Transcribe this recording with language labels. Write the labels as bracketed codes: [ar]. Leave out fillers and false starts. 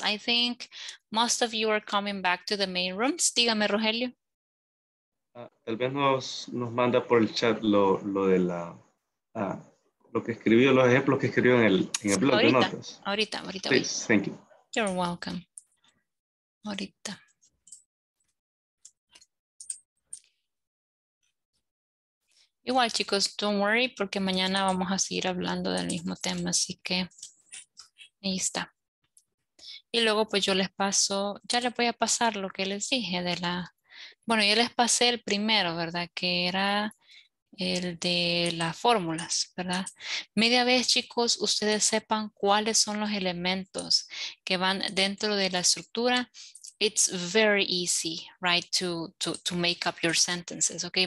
[en] I think most of you are coming back to the main rooms. [es] Dígame, Rogelio. Tal vez nos manda por el chat lo que escribió, los ejemplos que escribió en el blog de notas. Ahorita. [en] Please, thank you. You're welcome. Ahorita. [es] Igual, chicos, [en] don't worry, [es] porque mañana vamos a seguir hablando del mismo tema, así que ahí está. Y luego pues yo les paso, ya les voy a pasar lo que les dije de la, bueno, yo les pasé el primero, ¿verdad? Que era el de las fórmulas, ¿verdad? Media vez, chicos, ustedes sepan cuáles son los elementos que van dentro de la estructura. [en] It's very easy, right, to make up your sentences, okay?